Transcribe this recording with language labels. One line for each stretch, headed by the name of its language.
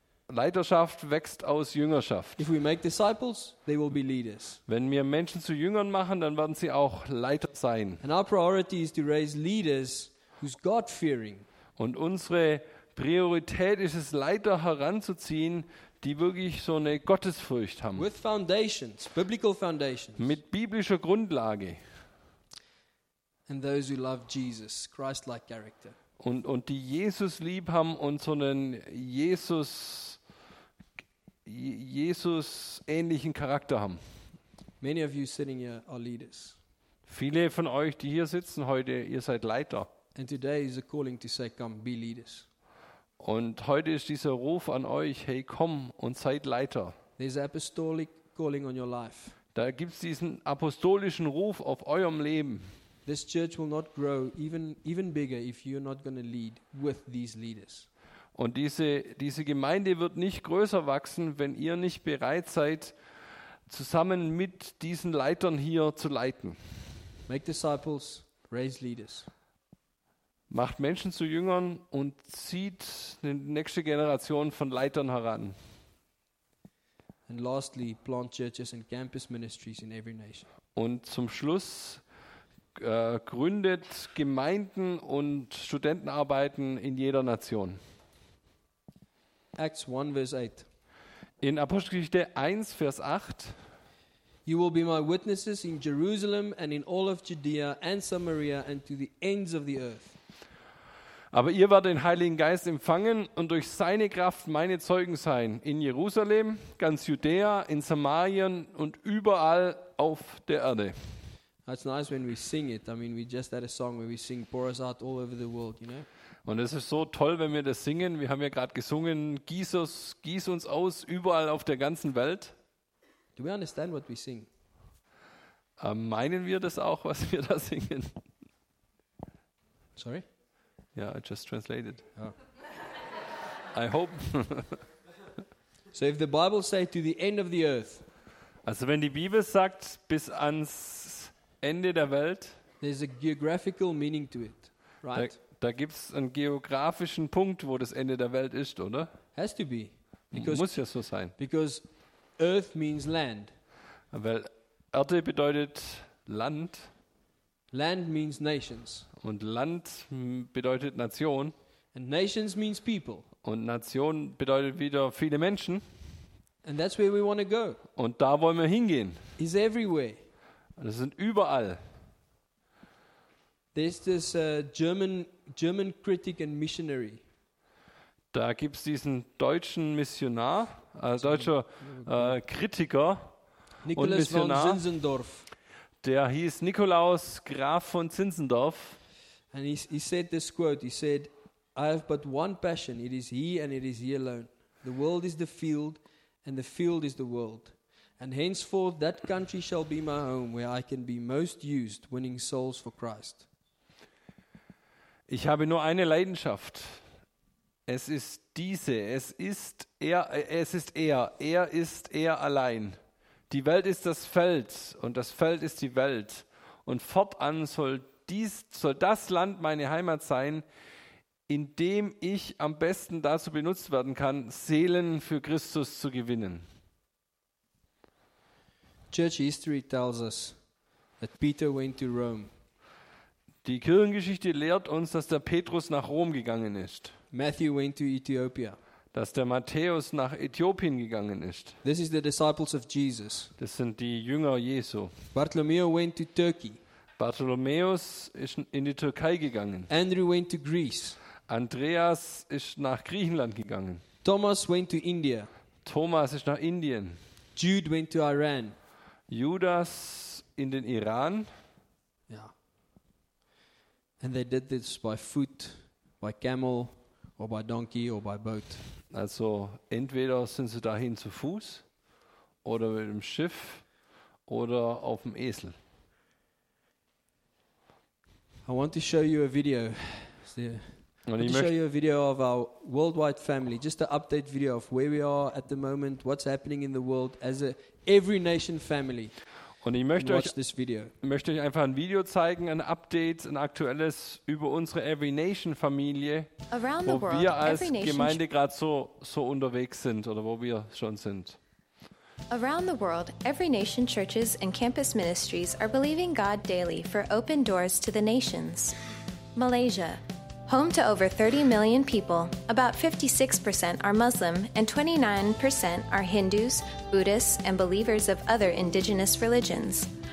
German: Leiterschaft wächst aus Jüngerschaft.
English: If we make disciples, they will be leaders.
German: Wenn wir Menschen zu Jüngern machen, dann werden sie auch Leiter sein.
English: And our priority is to raise leaders who's God-fearing.
German: Und unsere Priorität ist es, Leiter heranzuziehen, die wirklich so eine Gottesfurcht haben.
English: With foundations, biblical foundations.
German: Mit biblischer Grundlage.
English: And those who love Jesus, Christ-like character.
German: Und die Jesus lieb haben und so einen Jesus ähnlichen Charakter haben.
English: Many of you sitting here are leaders.
German: Viele von euch, die hier sitzen heute, ihr seid Leiter.
English: And today is a calling to say, come, be leaders.
German: Und heute ist dieser Ruf an euch, hey, komm und seid Leiter.
English: There's an apostolic calling on your life.
German: Da gibt's diesen apostolischen Ruf auf eurem Leben.
English: This church will not grow even bigger if you're not going to lead with these leaders.
German: Und diese Gemeinde wird nicht größer wachsen, wenn ihr nicht bereit seid, zusammen mit diesen Leitern hier zu leiten.
English: Make disciples, raise leaders.
German: Macht Menschen zu Jüngern und zieht eine nächste Generation von Leitern heran.
English: And lastly, plant churches and campus ministries in every nation.
German: Und zum Schluss gründet Gemeinden und Studentenarbeiten in jeder Nation.
English: Acts 1, Vers 8.
German: In Apostelgeschichte 1, Vers 8.
English: You will be my witnesses in Jerusalem and in all of Judea and Samaria and to the ends of the earth.
German: Aber ihr werdet den Heiligen Geist empfangen und durch seine Kraft meine Zeugen sein in Jerusalem, ganz Judäa, in Samarien und überall auf der Erde.
English: That's nice when we sing it. I mean, we just had a song where we sing pour us out all over the world, you know?
German: Und es ist so toll, wenn wir das singen. Wir haben ja gerade gesungen, gieß uns aus überall auf der ganzen Welt.
English: Do we understand what we sing?
German: Meinen wir das auch, was wir da singen?
English: Sorry? Yeah, I just translated. Oh. I hope. So if the Bible says to the end of the earth.
German: Also wenn die Bibel sagt bis ans Ende der Welt.
English: There's a geographical meaning to it, right?
German: Da gibt's einen geografischen Punkt, wo das Ende der Welt ist, oder?
English: Has to be. Because
German: muss ja so sein.
English: Because earth means land.
German: Weil Erde bedeutet Land.
English: Land means nations.
German: Und Land bedeutet Nation.
English: And nations means people.
German: Und Nation bedeutet wieder viele Menschen.
English: And that's where we want to go.
German: Und da wollen wir hingehen.
English: Is everywhere.
German: Das sind überall.
English: There's this German critic and missionary.
German: Da gibt's diesen deutschen Missionar, Kritiker
English: Nicholas
German: und Missionar. Von Zinzendorf. Der hieß Nikolaus Graf von Zinzendorf.
English: And he said this quote. He said, "I have but one passion. It is he, and it is he alone. The world is the field, and the field is the world." And henceforth that country shall be my home where I can be most used winning souls for Christ.
German: Ich habe nur eine Leidenschaft. Es ist diese, es ist Er ist er allein. Die Welt ist das Feld und das Feld ist die Welt. Und fortan soll das Land meine Heimat sein, in dem ich am besten dazu benutzt werden kann, Seelen für Christus zu gewinnen.
English: Church history tells us that Peter went to Rome.
German: Die Kirchengeschichte lehrt uns, dass der Petrus nach Rom gegangen ist.
English: Matthew went to Ethiopia.
German: Dass der Matthäus nach Äthiopien gegangen ist.
English: This is the disciples of Jesus.
German: Das sind die Jünger Jesu.
English: Bartholomew went to Turkey.
German: Bartholomäus ist in die Türkei gegangen.
English: Andrew went to Greece.
German: Andreas ist nach Griechenland gegangen.
English: Thomas went to India.
German: Thomas ist nach Indien.
English: Jude went to Iran.
German: Judas in den Iran. Ja.
English: And they did this by foot, by camel, or by donkey, or by boat.
German: Also entweder sind sie dahin zu Fuß oder mit dem Schiff oder auf dem Esel.
English: I want to show you a video. I want to show you a video of our worldwide family. Just an update video of where we are at the moment, what's happening in the world as a every nation family.
German: Und ich möchte euch einfach ein Video zeigen, ein Update, ein aktuelles über unsere Every Nation Familie, wo wir als Gemeinde gerade so unterwegs sind oder wo wir schon sind.
English: Around the world, Every Nation churches and campus ministries are believing God daily for open doors to the nations. Malaysia, home to over 30 million people, about 56% are Muslim and 29% are Hindus, Buddhists, and believers of other indigenous religions.